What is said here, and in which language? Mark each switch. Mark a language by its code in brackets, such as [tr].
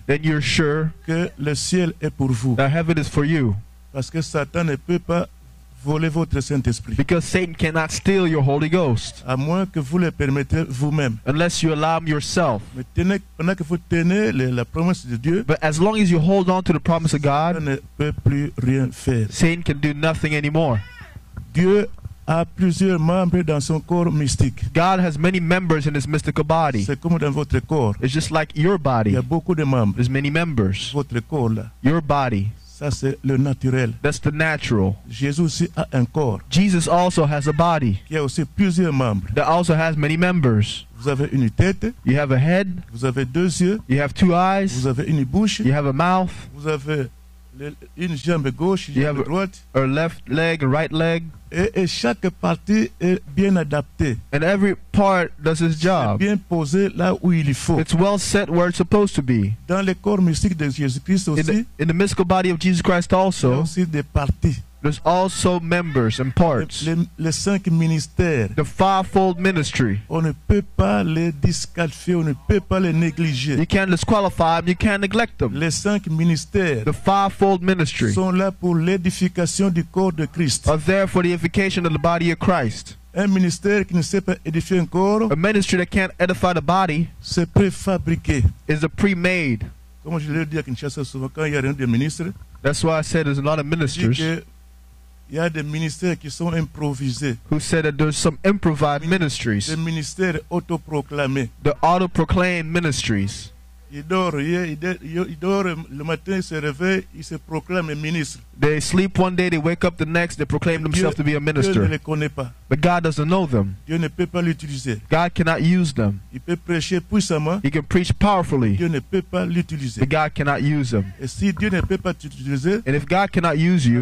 [en] then you're sure [fr] que le ciel est pour vous. [en] That heaven is for you. [fr] Parce que Satan ne peut pas voler votre Saint-Esprit. [en] Because Satan cannot steal your Holy Ghost. [fr] À moins que vous le permettez vous-même. [en] Unless you allow him yourself. [fr] Mais pendant que vous tenez la promesse de Dieu, [en] but as long as you hold on to the promise of God, [fr] Satan ne peut plus rien faire. [en] Satan can do nothing anymore. [fr] Dieu a plusieurs membres dans son corps mystique. [en] God has many members in his mystical body. [fr] C'est comme dans votre corps. [en] It's just like your body. [fr] Il y a beaucoup de membres. [en] There's many members. [fr] Votre corps là. [en] Your body. [fr] Ça, c'est le naturel. [en] That's the natural. [fr] Jésus aussi a un corps. [en] Jesus also has a body. [fr] Qui a aussi plusieurs membres. [en] That also has many members. [fr] Vous avez une tête. [en] You have a head. [fr] Vous avez deux yeux. [en] You have two eyes. [fr] Vous avez une bouche. [en] You have a mouth. [fr] Vous avez une jambe gauche, une [en] you [fr] jambe [en] have [fr] droite. [en] A left leg, a right leg. [fr] Et chaque partie est bien adaptée. [en] And every part does its job. [fr] C'est bien posé là où il faut. [en] It's well set where it's supposed to be. [fr] Dans le corps mystique de Jésus-Christ aussi. [en] In the mystical body of Jesus Christ also. [fr] Il y a aussi des parties. [en] There's also members and parts. [fr] Les cinq ministères. [en] The fivefold ministry. [fr] On ne peut pas les disqualifier, on ne peut pas les négliger. [en] You can't disqualify them, you can't neglect them. [fr] Les cinq ministères. [en] The fivefold ministry. [fr] Sont là pour l'édification du corps de Christ. [en] Are there for the edification of the body of Christ. [fr] Un ministère qui ne sait pas édifier un corps. [en] A ministry that can't edify the body. [fr] C'est préfabriqué. [en] Is a pre-made. [fr] Comme je l'ai dit à Kinshasa souvent quand il y a un des ministres. [en] That's why I said there's a lot of ministers. [fr] Il y a des ministères qui sont improvisés. [en] Who said that there's some improvised ministries. [fr] Des ministères autoproclamés. [en] The auto-proclaimed ministries. [fr] Ils dorment le matin, ils se réveillent, ils se proclament ministres. [en] They sleep one day, they wake up the next, they proclaim themselves to be a minister. [fr] Dieu ne les connaît pas. [en] But God doesn't know them. [fr] Dieu ne peut pas l'utiliser. [en] God cannot use them. [fr] Il peut prêcher puissamment. [en] He can preach powerfully. [fr] Dieu ne peut pas l'utiliser. [en] But God cannot use them. [fr] Et si Dieu ne peut pas t'utiliser, [en] and if God cannot use you,